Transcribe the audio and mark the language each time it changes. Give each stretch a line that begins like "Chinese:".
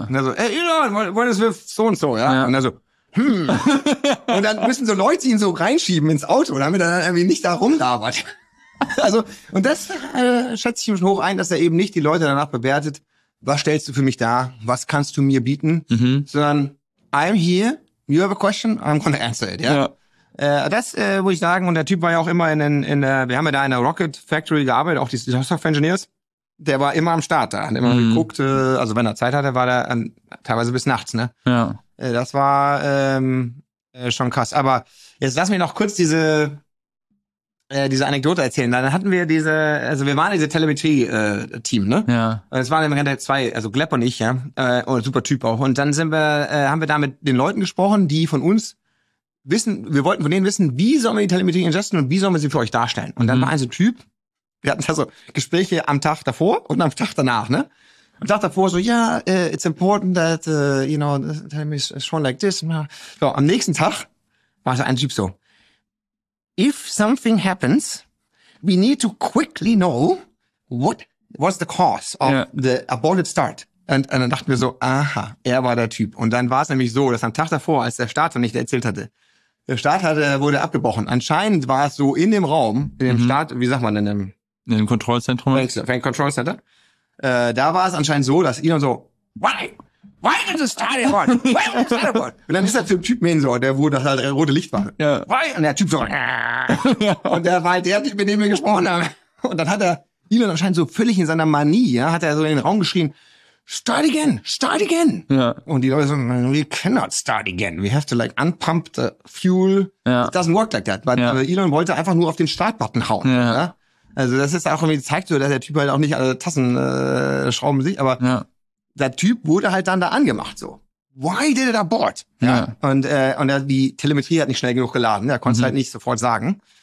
German: Und er so,
English: hey Elon, what is with
German: so und so, ja? Und er so, Und dann müssen so Leute ihn so reinschieben ins Auto, damit er dann irgendwie nicht da rumlabert. Also, und das schätze ich ihm schon hoch ein, dass er eben nicht die Leute danach bewertet, was stellst du für mich da, was kannst du mir bieten, sondern
English: I'm here, you have a question, I'm gonna answer it, yeah?
German: Das muss ich sagen, und der Typ war ja auch immer wir haben ja da in der Rocket Factory gearbeitet, auch die Software Engineers. Der war immer am Start da, hat immer geguckt, also wenn er Zeit hatte, war der teilweise bis nachts, ne? Ja. Das war schon krass. Aber jetzt lass mich noch kurz diese Anekdote erzählen. Dann hatten wir wir waren diese Telemetrie-Team, ne? Ja. Und es waren immer zwei, also Gleb und ich, ja, und super Typ auch. Und dann haben wir da mit den Leuten gesprochen, die von uns wissen, wir wollten von denen wissen, wie sollen wir die Telemetrie ingesten und wie sollen wir sie für euch darstellen? Und dann war ein Typ, wir hatten also Gespräche am Tag davor und am Tag danach, ne? Am Tag davor so, ja,
English: it's important that, you know, tell me someone like this.
German: So, am nächsten Tag war so ein Typ so,
English: if something happens, we need to quickly know what was the cause of the aborted start.
German: Und dann dachten wir so, aha, er war der Typ. Und dann war es nämlich so, dass am Tag davor, als der Start noch nicht erzählt hatte, wurde abgebrochen. Anscheinend war es so in dem Raum, in dem Start, wie sagt man denn, in dem Kontrollzentrum?
English: Fan Control Center.
German: Da war es anscheinend so, dass Elon so,
English: why did the start abort? Why did the start abort?
German: Und dann ist der Typ mehr so, der wurde halt der rote Licht war.
English: Yeah. Why?
German: Und der Typ so, und der war halt der Typ, mit dem wir gesprochen haben. Und dann hat er Elon anscheinend so völlig in seiner Manie, ja, hat er so in den Raum geschrien,
English: Start again.
German: Ja. Und die Leute so,
English: we cannot start again. We have to like unpump the fuel.
German: Ja.
English: It doesn't work like that.
German: Weil Elon wollte einfach nur auf den Startbutton hauen. Ja. Ja? Also das ist auch irgendwie, zeigt so, dass der Typ halt auch nicht alle Tassen schrauben sich, aber der Typ wurde halt dann da angemacht so.
English: Why did it abort?
German: Ja. Und die Telemetrie hat nicht schnell genug geladen. Er konnte es halt nicht sofort sagen.